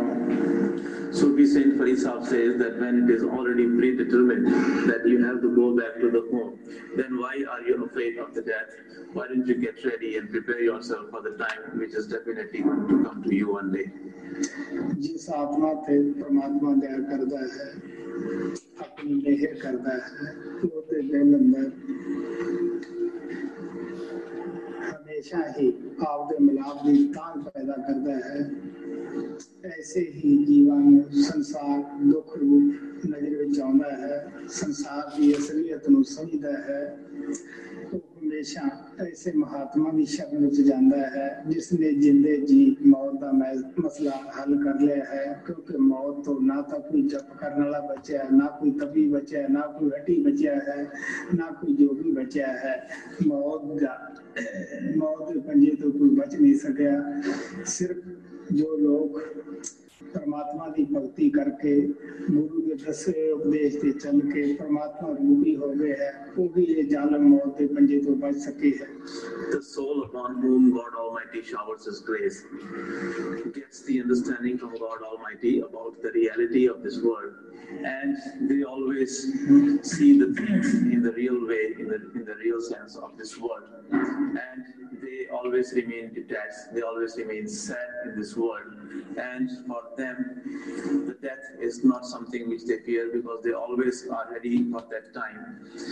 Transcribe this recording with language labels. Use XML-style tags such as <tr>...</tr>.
<en>Sufi Saint Farisab says that when it is already predetermined that you have to go back to the home, then why are you afraid of the death? Why don't you get ready and prepare yourself for the time which is definitely going to come to you one day?</en> <pa>ਜਿਸ ਆਤਮਾ ਤੇ ਪ੍ਰਮਾਤਮਾ ਦਇਆ ਕਰਦਾ ਹੈ ਆਪਣੀ ਮਿਹਰ ਕਰਦਾ ਹੈ ਉਹ ਤੇ ਦਿਲ ਅੰਦਰ ਹਮੇਸ਼ਾ ਹੀ ਆਪਦੇ ਮਿਲਾਪ ਦੀ ਤਾਂਘ ਪੈਦਾ ਕਰਦਾ ਹੈ ਐਸੇ ਹੀ ਜੀਵਾਂ ਨੂੰ ਸੰਸਾਰ ਦੁੱਖ ਰੂਪ ਨਜ਼ਰ ਵਿੱਚ ਆਉਂਦਾ ਹੈ ਸੰਸਾਰ ਦੀ ਅਸਲੀਅਤ ਨੂੰ ਸਮਝਦਾ ਹੈ ਹਮੇਸ਼ਾ ਐਸੇ ਮਹਾਤਮਾ ਦੀ ਸ਼ਰਨ ਵਿੱਚ ਜਾਂਦਾ ਹੈ ਜਿਸ ਨੇ ਜਿੰਦੇ ਜੀ ਮੌਤ ਦਾ ਮਸਲਾ ਹੱਲ ਕਰ ਲਿਆ ਹੈ, ਕਿਉਂਕਿ ਮੌਤ ਤੋਂ ਨਾ ਤਾਂ ਕੋਈ ਜਪ ਕਰਨ ਵਾਲਾ ਬਚਿਆ, ਨਾ ਕੋਈ ਤਬੀ ਬਚਿਆ, ਨਾ ਕੋਈ ਹੱਟੀ ਬਚਿਆ ਹੈ, ਨਾ ਕੋਈ ਜੋਗੀ ਬਚਿਆ ਹੈ। ਮੌਤ ਦੇ ਪੰਜੇ ਤੋਂ ਕੋਈ ਬਚ ਨਹੀਂ ਸਕਿਆ। ਸਿਰਫ ਜੋ ਲੋਕ ਪਰਮਾਤਮਾ ਦੀ ਭਗਤੀ ਕਰਕੇ ਗੁਰੂ ਦੇ ਦੱਸੇ ਉਪਦੇਸ਼ ਤੇ ਚੱਲ ਕੇ ਪਰਮਾਤਮਾ ਰੂਪੀ ਹੋ ਗਏ ਹੈ, ਉਹ ਵੀ ਇਹ ਜਨਮ ਮੌਤ ਦੇ ਪੰਜੇ ਤੋਂ ਬਚ ਸਕੇ ਹੈ।</pa> <en>The soul upon whom God Almighty showers His grace gets the understanding from God Almighty about the reality of this world, and they always see the things in the real way, in the real sense of this world, and they always remain detached, they always remain sad in this world, and for them the death is not something which they fear, because they always are ready for that time.</en>